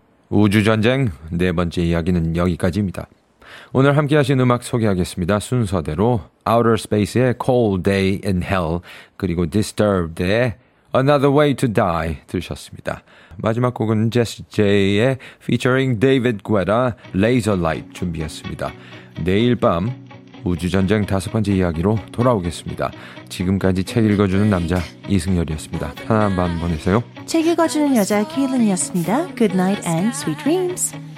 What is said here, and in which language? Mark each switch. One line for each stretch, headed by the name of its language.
Korean: 우주전쟁 네 번째 이야기는 여기까지입니다. 오늘 함께 하신 음악 소개하겠습니다. 순서대로 Outer Space의 Cold Day in Hell 그리고 Disturbed의 Another Way to Die 들으셨습니다. 마지막 곡은 Jesse J의 Featuring David Guetta Laser Light 준비했습니다. 내일 밤 우주전쟁 다섯 번째 이야기로 돌아오겠습니다. 지금까지 책 읽어주는 남자 이승열이었습니다. 하나만 보내세요. 책 읽어주는 여자 케일린이었습니다.
English: Good night and sweet dreams.